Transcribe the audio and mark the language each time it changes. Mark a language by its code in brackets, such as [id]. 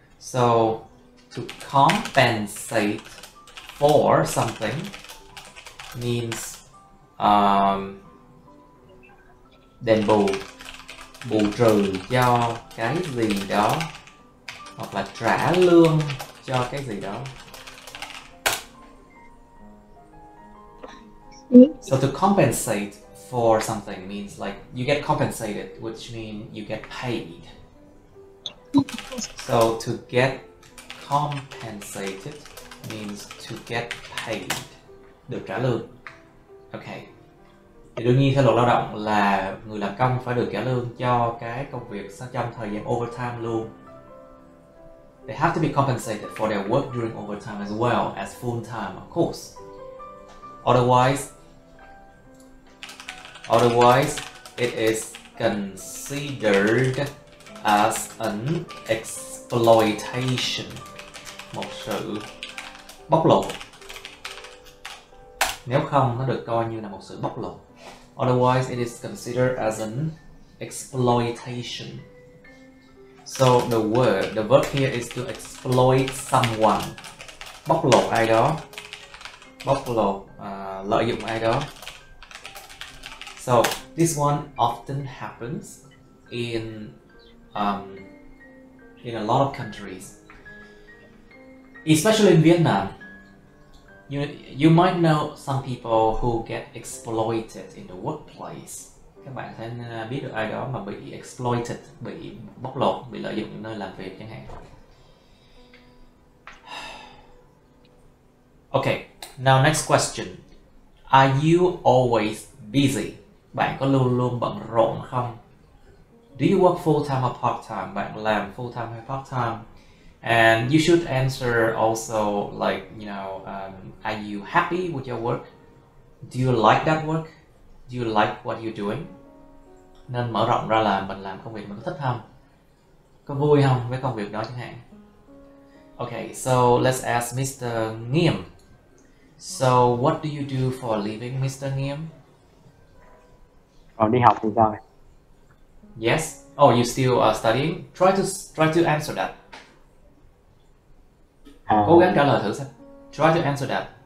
[en] So to compensate for something means [vi] đền bù. Bù trừ cho cái gì đó hoặc là trả lương cho cái gì đó. [en] So to compensate for something means like you get compensated, which means you get paid. So to get compensated means to get paid. [vi] Được trả lương. [en] Okay. [vi] Thì đương nhiên theo luật lao động là người làm công phải được trả lương cho cái công việc trong thời gian overtime luôn. [en] They have to be compensated for their work during overtime as well as full time, of course. Otherwise, it is considered as an exploitation. [vi] Một sự bóc lột. Nếu không, nó được coi như là một sự bóc lột. [en] Otherwise, it is considered as an exploitation. So the verb here is to exploit someone. [vi] Bóc lột ai đó. Bóc lột lợi dụng ai đó. [en] So this one often happens in a lot of countries. Especially in Vietnam. You might know some people who get exploited in the workplace. [vi] Các bạn sẽ biết được ai đó mà bị exploited, bị bóc lột, bị lợi dụng nơi làm việc chẳng hạn. [en] Okay, now next question. Are you always busy? [vi] Bạn có luôn luôn bận rộn không? [en] Do you work full-time or part-time? [vi] Bạn làm full-time hay part-time? [en] And you should answer also like, you know, are you happy with your work? Do you like that work? Do you like what you're doing? [vi] Nên mở rộng ra là mình làm công việc mình có thích không? Có vui không với công việc đó chẳng hạn? [en] Okay, so let's ask Mr. Nghiêm. So what do you do for a living, Mr. Nghiêm? [vi] Còn đi học thì sao? [en] Yes. Oh, you still are studying? Try to answer that. [vi] Cố gắng trả lời thử xem. [en] Try to answer that.